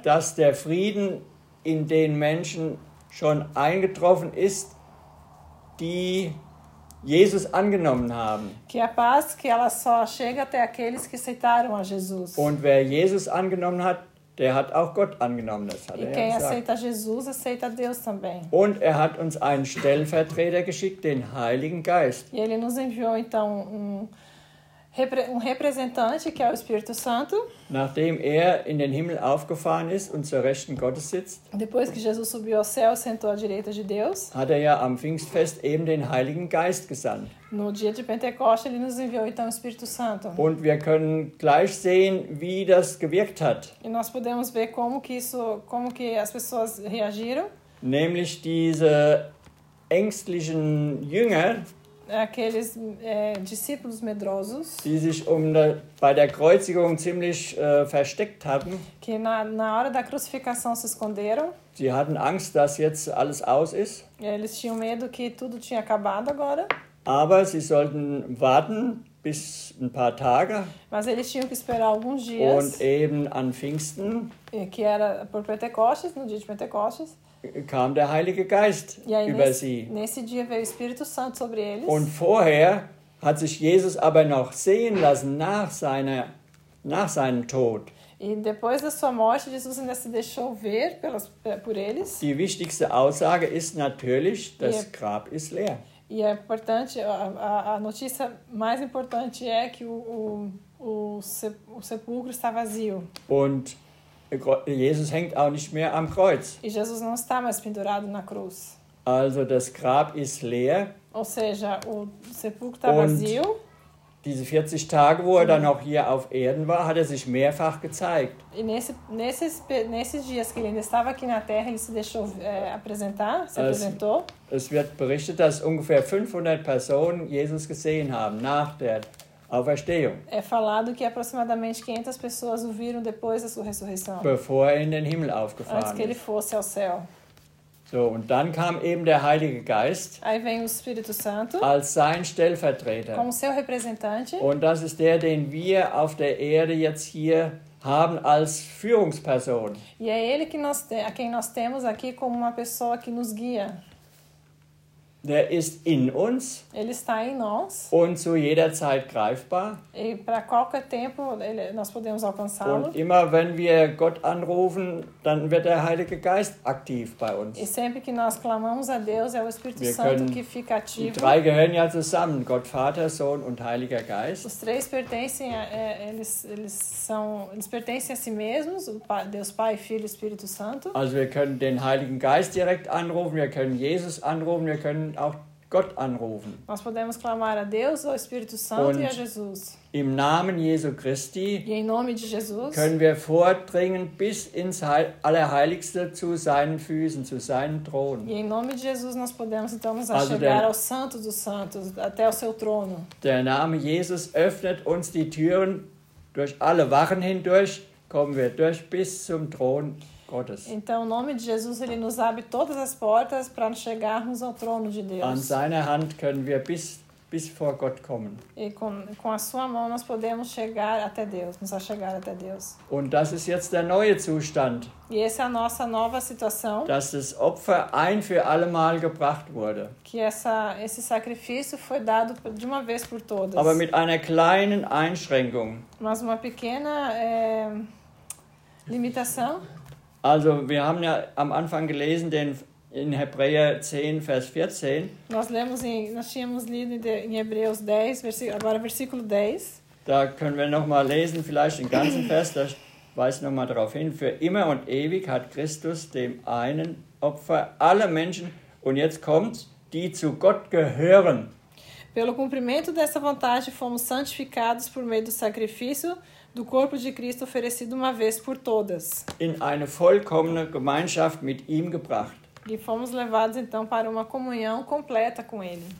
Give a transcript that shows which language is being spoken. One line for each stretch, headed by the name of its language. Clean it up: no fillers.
German: Dass der Frieden in den Menschen schon eingetroffen ist, die Jesus angenommen haben.
Portuguese: Que a paz que ela só chega até aqueles que aceitaram a Jesus.
German: Und wer Jesus angenommen hat, der hat auch Gott angenommen, das hat er gesagt.
Portuguese: E quem aceita Jesus, aceita Deus também.
German: Und er hat uns einen Stellvertreter geschickt, den Heiligen Geist.
Portuguese: E ele nos enviou então um representante, que é o Espírito Santo.
German: Nachdem er in den Himmel aufgefahren ist und zur Rechten Gottes sitzt.
Portuguese: Depois que Jesus subiu ao céu, sentou à direita de Deus.
German: Hat er ja am Pfingstfest eben den Heiligen Geist gesandt.
Portuguese: No dia de Pentecostes, ele nos enviou então o Espírito Santo.
German: Und wir können gleich sehen, wie das gewirkt hat.
Portuguese: E nós podemos ver como que as pessoas reagiram.
German: Nämlich diese ängstlichen Jünger.
Portuguese: aqueles discípulos medrosos,
German: die sich bei der Kreuzigung ziemlich versteckt hatten,
Portuguese: que na hora da crucificação se esconderam.
German: Sie hatten Angst, dass jetzt alles aus ist.
Portuguese: Eles tinham medo que tudo tinha acabado agora.
German: Aber sie sollten warten bis ein paar Tage.
Portuguese: Mas eles tinham que esperar alguns dias.
German: Und eben an Pfingsten,
Portuguese: que era por Pentecostes, no dia de Pentecostes,
German: kam der Heilige Geist über sie.
Portuguese: Nesse dia veio o Espírito Santo sobre eles.
German: Und vorher hat sich Jesus aber noch sehen lassen nach seinem Tod.
Portuguese: E depois da sua morte, Jesus ainda se deixou ver por eles.
German: Die wichtigste Aussage ist natürlich, das Grab ist leer.
Portuguese: E é importante, a notícia mais importante é que o sepulcro está vazio.
German: Und Jesus hängt auch nicht mehr am Kreuz.
Portuguese: E Jesus não está mais pendurado na cruz.
German: Also das Grab ist leer.
Portuguese: Ou seja, o sepulcro está vazio.
German: Diese 40 Tage, wo er dann noch hier auf Erden war, hat er sich mehrfach gezeigt.
Portuguese: Nesses dias que ele ainda estava aqui na Terra, ele se deixou apresentar, se apresentou.
German: Es wird berichtet, dass ungefähr 500 Personen Jesus gesehen haben nach der Auferstehung.
Portuguese: É falado que aproximadamente 500 pessoas o viram depois da sua ressurreição.
German: Bevor er in den Himmel aufgefahren ist.
Portuguese: Antes que ele fosse ao céu.
German: So, und dann kam eben der Heilige Geist.
Portuguese: Aí vem o Espírito Santo.
German: Als sein Stellvertreter.
Portuguese: Como seu representante.
German: Und das ist der, den wir auf der Erde jetzt hier haben als Führungsperson.
Portuguese: E é ele que nós, a quem nós temos aqui como uma pessoa que nos guia.
German: Der ist in uns.
Portuguese: Ele está em nós.
German: Und zu jeder Zeit greifbar.
Portuguese: E para qualquer tempo nós podemos alcançá-lo.
German: Und immer wenn wir Gott anrufen, dann wird der Heilige Geist aktiv bei uns.
Portuguese: E sempre que nós clamamos a Deus, é o Espírito
German: wir
Portuguese: Santo que fica ativo.
German: Die drei gehören ja zusammen, Gott Vater, Sohn und Heiliger Geist.
Portuguese: Os três pertencem eles pertencem a si mesmos, Deus Pai, Filho e Espírito Santo.
German: Also wir können den Heiligen Geist direkt anrufen, wir können Jesus anrufen, wir können auch Gott anrufen.
Portuguese: Nós podemos clamar a Deus, ao Espírito Santo
German: und
Portuguese: e a Jesus.
German: Im Namen Jesu Christi
Portuguese: e em nome de Jesus
German: können wir vordringen bis ins Allerheiligste zu seinen Füßen, zu seinem Thron.
Portuguese: E em nome de Jesus nós podemos então nos achegar ao Santo dos Santos, até ao seu trono.
German: Der Name Jesus öffnet uns die Türen durch alle Wachen hindurch, kommen wir durch bis zum Thron.
Portuguese: Então, o nome de Jesus, ele nos abre todas as portas para chegarmos ao trono de Deus.
German: An seiner Hand können wir bis vor Gott kommen.
Portuguese: E com a sua mão nós podemos chegar até Deus, nos achegar até Deus.
German: Und das ist jetzt der neue Zustand.
Portuguese: E essa é a nossa nova situação.
German: Dass das Opfer ein für alle Mal gebracht wurde.
Portuguese: Que esse sacrifício foi dado de uma vez por todas.
German: Aber mit einer kleinen Einschränkung.
Portuguese: Mas uma pequena limitação.
German: Also, wir haben ja am Anfang gelesen, in Hebräer 10, Vers 14.
Portuguese: Nós tínhamos lido in Hebreus 10, agora versículo 10.
German: Da können wir noch mal lesen, vielleicht den ganzen Vers, da weise noch mal darauf hin. Für immer und ewig hat Christus dem einen Opfer aller Menschen, und jetzt kommt's, die zu Gott gehören.
Portuguese: Pelo cumprimento dessa vontade, fomos santificados por meio do sacrifício do corpo de Cristo oferecido uma vez por todas.
German: In eine vollkommene Gemeinschaft mit ihm gebracht.
Portuguese: E fomos levados então para uma comunhão completa com ele.